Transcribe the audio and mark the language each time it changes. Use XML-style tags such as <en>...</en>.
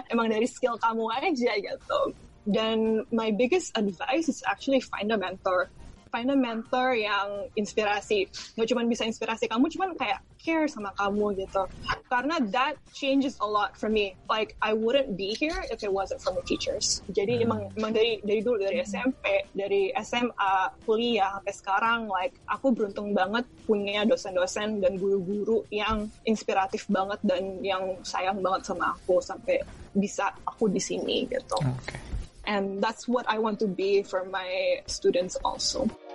<id>Emang dari skill kamu aja gitu. Dan</id> <en>my biggest advice is actually find a mentor. Find a mentor</en> <id>yang inspirasi. Nggak cuma bisa inspirasi kamu, cuman kayak care sama kamu gitu. Karena</id> <en>that changes a lot for me. Like, I wouldn't be here if it wasn't for the teachers.</en> <id>Jadi emang dari dulu, dari SMP, dari SMA, kuliah, sampai sekarang, like, aku beruntung banget punya dosen-dosen dan guru-guru yang inspiratif banget dan yang sayang banget sama aku sampai bisa aku di sini gitu.</id> <en>Okay. And that's what I want to be for my students also.</en>